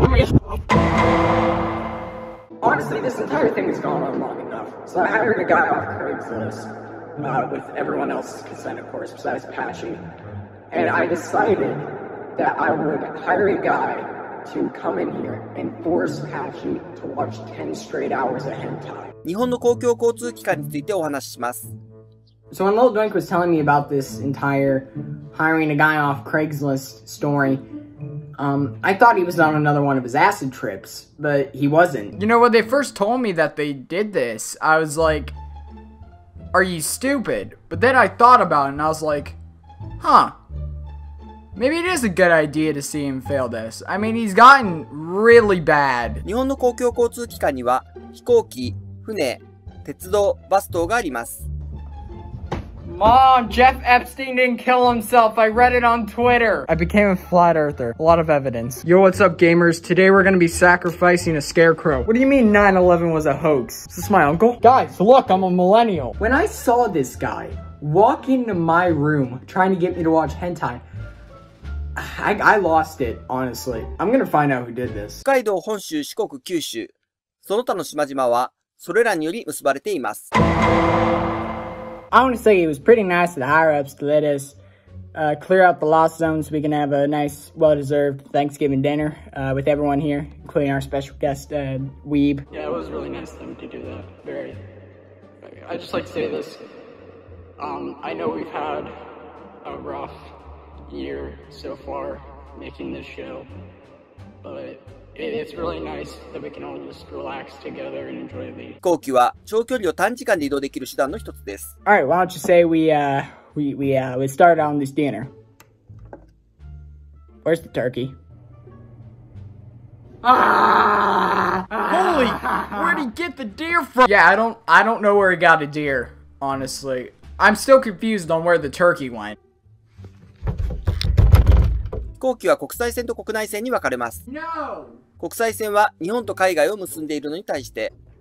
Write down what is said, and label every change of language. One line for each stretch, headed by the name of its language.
English: Honestly, this entire thing has gone on long enough. So I hired a guy off Craigslist. With everyone else's consent, of course, besides Patchy. And I decided that I would hire a guy to come in here and force Patchy to watch 10 straight hours of hentai.
Japanese: 日本の公共交通機関についてお話しします。
English: So when Lil Dwink was telling me about this entire hiring a guy off Craigslist story, I thought he was on another one of his acid trips, but he wasn't. You know, when they first told me that they did this, I was like, are you stupid? But then I thought about it and I was like, huh. Maybe it is a good idea to see him fail this. I mean, he's gotten really bad.
Japanese: 日本の公共交通機関には飛行機、船、鉄道、バス等があります。
English: Mom, Jeff Epstein didn't kill himself. I read it on Twitter. I became a flat earther. A lot of evidence. Yo, what's up, gamers? Today we're gonna be sacrificing a scarecrow. What do you mean 9/11 was a hoax? Is this my uncle? Guys, look, I'm a millennial. When I saw this guy walk into my room trying to get me to watch hentai, I lost it, honestly. I'm gonna find out who did this.
Japanese: 北海道、本州、四国、九州、その他の島々はそれらにより結ばれています。
English: I want to say it was pretty nice of the higher-ups to let us clear out the lost zone so we can have a nice, well-deserved Thanksgiving dinner with everyone here, including our special guest, Weeb. Yeah, it was really nice of them to do that. Very. I'd just like to say this. I know we've had a rough year so far making this show, but it's really nice that we can all just relax together and enjoy the
Japanese: 飛行機は長距離を短時間で移動できる手段の一つです。
English: Alright, why don't you say we start on this dinner? Where's the turkey? Holy! Where'd he get the deer from? Yeah, I don't know where he got a deer, honestly. I'm still confused on where the turkey went.
Japanese: 飛行機は国際線と国内線に分かれます。
English: No!
Japanese: 国際線は日本と海外を結んでいるのに対して。